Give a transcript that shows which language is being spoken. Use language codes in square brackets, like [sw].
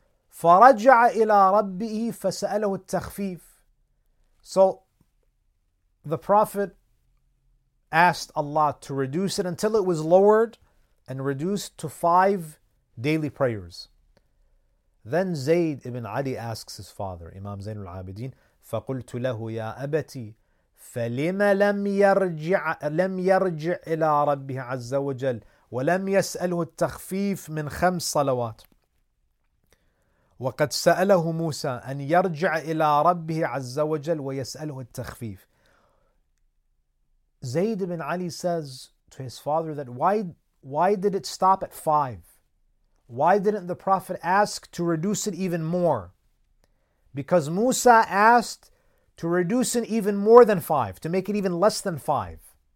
[ar] فَرَجَعَ إِلَىٰ رَبِّهِ فَسَأَلَهُ التَّخْفِيفِ. [en] So the Prophet asked Allah to reduce it until it was lowered and reduced to 5 daily prayers. Then Zayd ibn Ali asks his father, Imam Zain al-Abidin, [ar] فَقُلْتُ لَهُ يَا أَبَتِي فَلِمَ لَمْ يَرْجِعْ إِلَىٰ رَبِّهِ عَزَّ وَجَلْ وَلَمْ يَسْأَلْهُ التَّخْفِيفُ مِنْ 5 صَلَوَاتٍ وَقَدْ سَأَلَهُ مُوسَى أَنْ يَرْجِعَ إِلَىٰ رَبِّهِ عَزَّ وَجَلْ وَيَسْأَلْهُ التَّخْفِيفُ. [en] Zayd ibn Ali says to his father that why did it stop at 5? Why didn't the Prophet ask to reduce it even more? Because Musa asked to reduce it even more than 5, to make it even less than 5.